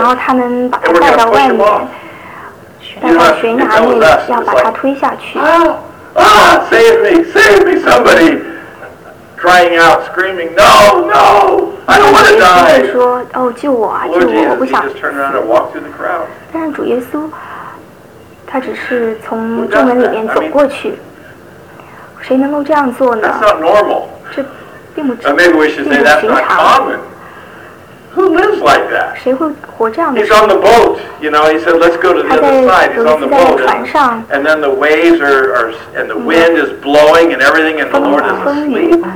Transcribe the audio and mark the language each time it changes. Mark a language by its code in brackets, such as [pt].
[en] And we're going to push him off. Save me, save me, somebody crying out, screaming, no, no, I don't want to die. [zh] 说, 哦, 救我啊, [en] Lord Jesus, [zh] 我不想, [en] he just turned around and walked through the crowd. [zh] 但是主耶稣, 他只是从众门里面走过去, [en] I mean, [zh] 谁能够这样做呢? [en] That's not normal. [zh] 这并不, [en] or maybe we should say that's not common. Who lives like that? [zh] 谁会活这样的? [en] He's on the boat, you know, he said, let's go to the other side. He's on the boat. And then the waves are and the wind is blowing and everything, and the Lord is asleep.